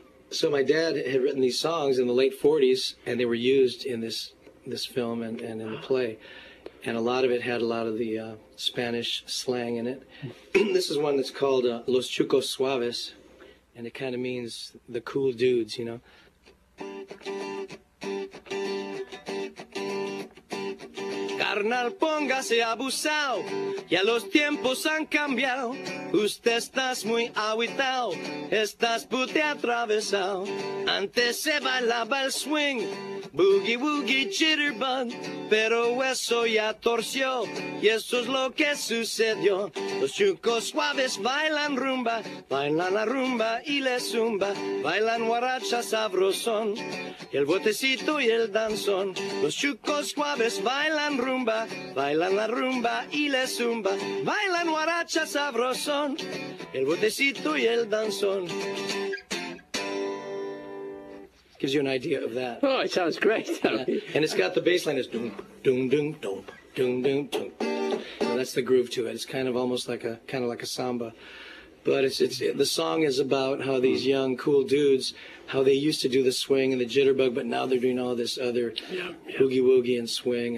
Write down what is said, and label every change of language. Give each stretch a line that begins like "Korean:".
English: So my dad had written these songs in the late 40s, and they were used in this film and in the play. And a lot of it had a lot of the Spanish slang in it. This is one that's called Los Chucos Suaves, and it kind of means the cool dudes, you know.
Spanish: Carnal, póngase abusao, ya los tiempos han cambiado. Usted estás muy aguitao, estás pute atravesao. Antes se bailaba el swing, boogie woogie jitterbug. Pero eso ya torció, y eso es lo que sucedió. Los chucos suaves bailan rumba, bailan la rumba y la zumba. Bailan guaracha sabrosón, el botecito y el danzón. Los chucos suaves bailan rumba, bailan la rumba y la zumba. Bailan guaracha sabrosón, el botecito y el danzón.
English: Gives you an idea of that. Oh, it sounds great. And it's got the bass line is doom, doom, doom, doom, doom, doom, doom. And that's the groove to it. It's kind of almost like a samba. But the song is about how these young, cool dudes, how they used to do the swing and the jitterbug, but now they're doing all this other boogie-woogie and swing.